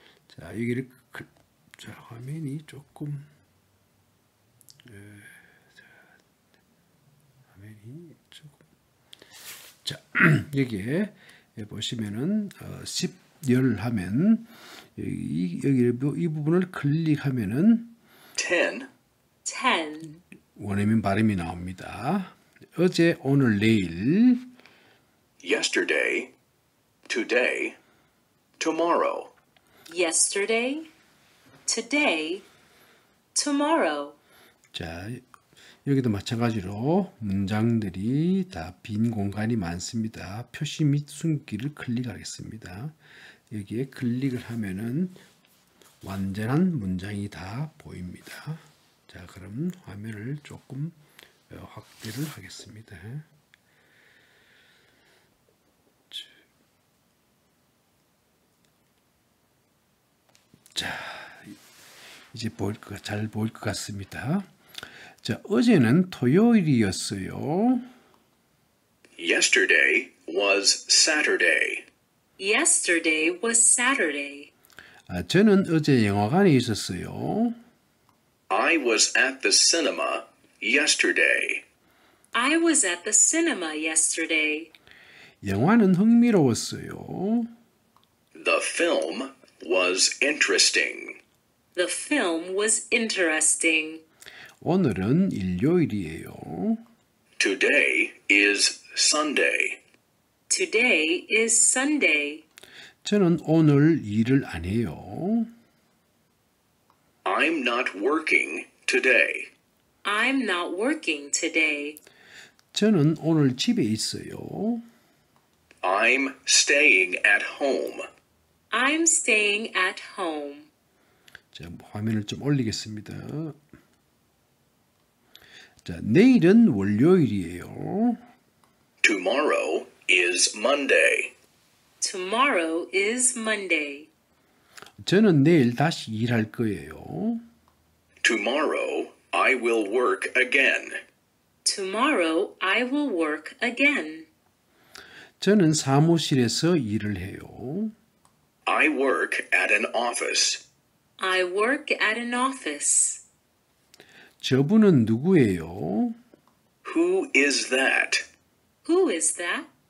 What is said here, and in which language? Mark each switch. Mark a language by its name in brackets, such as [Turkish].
[Korean] 자, 여기를 자, 화면이 조금 자, 여기에 보시면은 10, 10 하면 여기 이 부분을 클릭하면은 [English] Ten. [Korean] 원어민 발음이 나옵니다. 어제, 오늘, 내일. [English] Yesterday, today, tomorrow. Yesterday, today, tomorrow. [Korean] 자, 여기도 마찬가지로 문장들이 다빈 공간이 많습니다. 표시 및 숨기를 클릭하겠습니다. 여기에 클릭을 하면은 완전한 문장이 다 보입니다. 자, 그럼 화면을 조금 확대를 하겠습니다. 자, 이제 보일 것, 잘 보일 것 같습니다. 자, 어제는 토요일이었어요. [English] Yesterday was Saturday. Yesterday was Saturday. [Korean] 저는 어제 영화관에 있었어요. [English] I was at the cinema yesterday. I was at the cinema yesterday. [Korean] 영화는 흥미로웠어요. [English] The film was interesting. The film was interesting. [Korean] 오늘은 일요일이에요. [English] Today is Sunday. Today is Sunday. [Korean] 저는 오늘 일을 안 해요. [English] I'm not working today. I'm not working today. [Korean] 저는 오늘 집에 있어요. [English] I'm staying at home. I'm staying at home. [Korean] 자, 화면을 좀 올리겠습니다. 자, 내일은 월요일이에요. [English] Tomorrow is Monday. Tomorrow is Monday. [Korean] 저는 내일 다시 일할 거예요. [English] Tomorrow I will work again. Tomorrow I will work again. [Korean] 저는 사무실에서 일을 해요. [English] I work at an office. I work at an office. [Korean] 저분은 누구예요? [English] Who is that? Who is that?